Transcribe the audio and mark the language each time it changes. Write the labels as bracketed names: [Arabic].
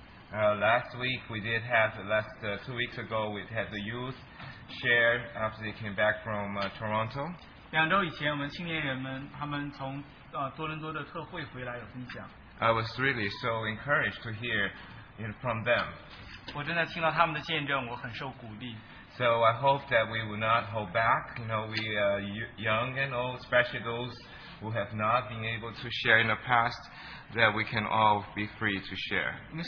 [English] Last week we had the youth share after they came back from Toronto. [Chinese] 两周以前我们青年人们他们从多伦多的特会回来有分享。 [English] I was really so encouraged to hear it from them. [Chinese] 我真的听到他们的见证，我很受鼓励。 [English] So I hope that we will not hold back. You know, we are young and old, especially those who have not been able to share in the past, that we can all be free to share.